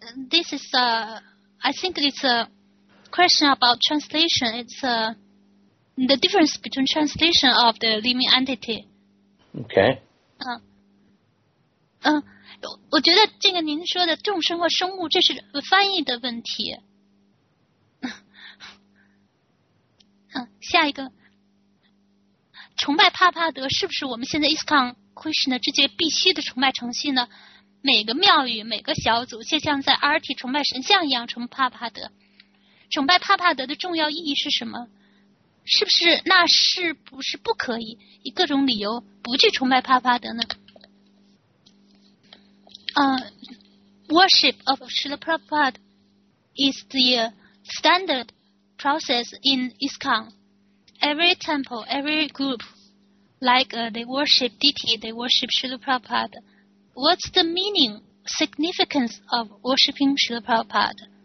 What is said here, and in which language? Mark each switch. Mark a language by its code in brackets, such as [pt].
[en] This is I think it's a question about translation. It's the difference between translation of the living entity. Okay. [zh] 我觉得这个您说的众生和生物，这是翻译的问题。下一个，崇拜帕帕德是不是我们现在 ISKCON Krishna 之间必须的崇拜程序呢？每个庙宇、每个小组，就像在 RT 崇拜神像一样崇拜帕帕德。崇拜帕帕德的重要意义是什么？是不是那是不是不可以以各种理由不去崇拜帕帕德呢？ [en] Worship of Srila Prabhupada is the standard process in ISKCON. Every temple, every group, like they worship deity, they worship Srila Prabhupada. What's the meaning, significance of worshipping Srila Prabhupada?